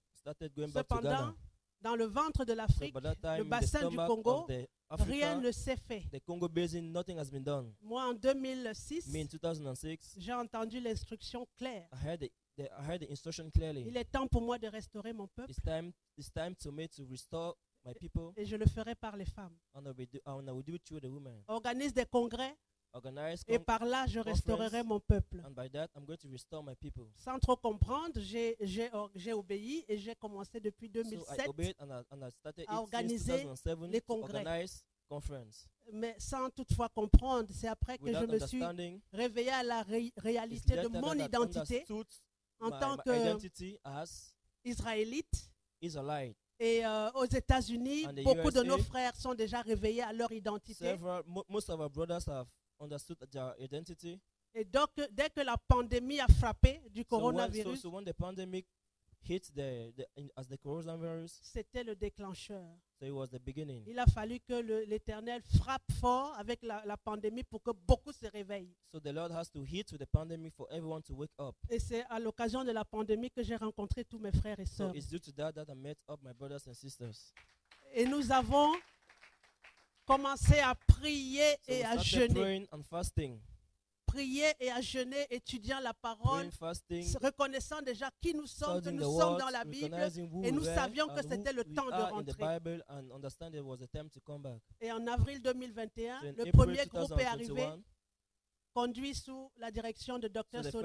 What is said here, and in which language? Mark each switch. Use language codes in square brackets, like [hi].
[fr] Cependant, dans le ventre de l'Afrique, le bassin du Congo, rien ne s'est fait. [en] The Congo Basin, nothing has been done. [fr] Moi, en 2006, [en] me in 2006, [fr] j'ai entendu l'instruction claire. [en] I heard the instruction clearly. [fr] Il est temps pour moi de restaurer mon peuple. [en] It's time to me to restore my people. [fr] Et je le ferai par les femmes. [en] I will do it through the women. [fr] Organise des congrès. [en] Organize [fr] et par là, je restaurerai mon peuple. [en] And by that, I'm going to restore my people. [fr] Sans trop comprendre, j'ai obéi et j'ai commencé depuis 2007 à organiser les congrès. [en] Organize conference. [fr] Mais sans toutefois comprendre, c'est après que je me suis réveillé à la réalité de mon identité en tant que Israélite. [en] Israelite. [fr] Et aux États-Unis, beaucoup [en] USA, [fr] de nos frères sont déjà réveillés à leur identité. [en] Most of our brothers have understood their identity. [fr] Et donc, dès que la pandémie a frappé du coronavirus, [en] when the pandemic hit the coronavirus, [fr] c'était le déclencheur. [en] So it was the beginning. [fr] Il a fallu que l'Éternel frappe fort avec la pandémie pour que beaucoup se réveillent. [en] So the Lord has to hit with the pandemic for everyone to wake up. [fr] Et c'est à l'occasion de la pandémie que j'ai rencontré tous mes frères et sœurs. [en] So it's due to that I met up my brothers and sisters. [fr] Et nous avons commencé à prier et à jeûner. [en] Praying and fasting. [fr] Prier et à jeûner, étudiant la parole, [en] fasting, [fr] reconnaissant déjà qui nous sommes, que nous sommes dans la Bible, et nous savions que c'était le temps de rentrer. [en] In the Bible and understand it was a time to come back. [fr] Et en avril 2021, le premier groupe est arrivé, conduit sous la direction de Dr.